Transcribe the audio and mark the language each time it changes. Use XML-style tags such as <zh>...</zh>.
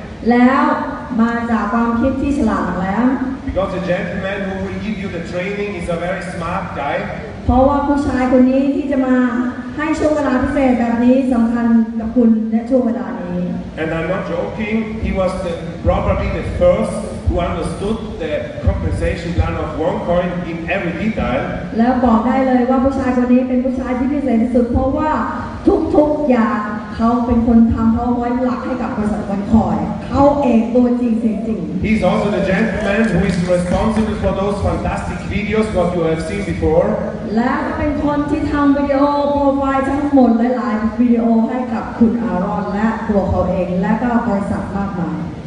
<th>แล้วมาจากความคิดที่ฉลาดแล้ว</th> <en>Because the gentleman who will give you the training is a very smart guy</en> <th>เพราะว่าผู้ชายคนนี้ที่จะมาให้ช่วงเวลาพิเศษแบบนี้สำคัญกับคุณในช่วงเวลานี้</th> <en>And I'm not joking he was the, probably the first who understood the compensation plan of OneCoin in every detail</en> <th>แล้วบอกได้เลยว่าผู้ชายคนนี้เป็นผู้ชายที่พิเศษที่สุดเพราะว่าทุกๆอย่างเขาเป็นคนทำเขาไว้หลักให้กับบริษัทวันคอยเขาเองตัวจริงเสียงจริง</th> <en>He's also the gentleman who is responsible for those fantastic videos what you have seen before</en> <th>และเป็นคนที่ทำวิดีโอโปรไฟล์ทั้งหมดหลายๆวิดีโอให้กับคุณอารอนและตัวเขาเองและก็บริษัทมากมาย</th>